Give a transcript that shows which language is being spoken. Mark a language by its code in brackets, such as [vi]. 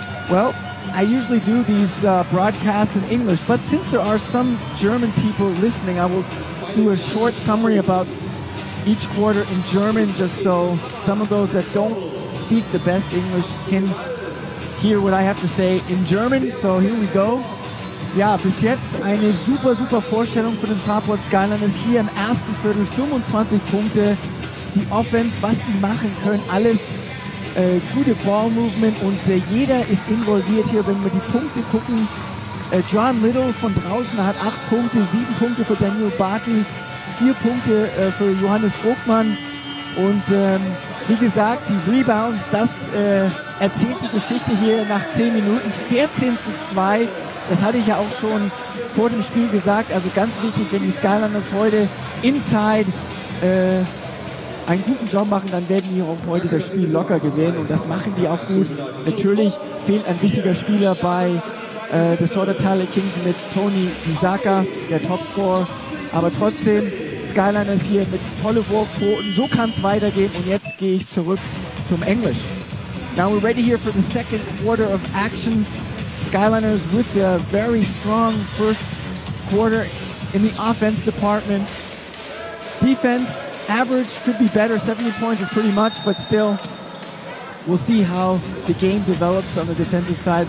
[en] Well, I usually do these broadcasts in English, but since there are some German people listening, I will do a short summary about each quarter in German, just so some of those that don't speak the best English can hear what I have to say in German. So here we go. [de] Ja, bis jetzt eine super, super Vorstellung für den Fraport Skyliners hier im ersten Viertel. 25 Punkte, die Offense, was die machen können, alles gute Ball-Movement und jeder ist involviert hier, wenn wir die Punkte gucken. John Little von draußen hat 8 Punkte, 7 Punkte für Daniel Bartel, 4 Punkte für Johannes Vogtmann und wie gesagt, die Rebounds, das erzählt die Geschichte hier nach 10 Minuten, 14-2, das hatte ich ja auch schon vor dem Spiel gesagt, also ganz wichtig, wenn die Skyliners heute inside einen guten Job machen, dann werden die auch heute das Spiel locker gewinnen und das machen die auch gut. Natürlich fehlt ein wichtiger Spieler bei der Södra Tile Kings mit Tony Bisaka, der Topscorer, aber trotzdem Skyliners hier mit tolle Wurfquoten, so kann es weitergehen und jetzt gehe ich zurück zum Englisch. [en] Now we're ready here for the second quarter of action. Skyliners with a very strong first quarter in the offense department. Defense average could be better, 70 points is pretty much, but still, we'll see how the game develops on the defensive side.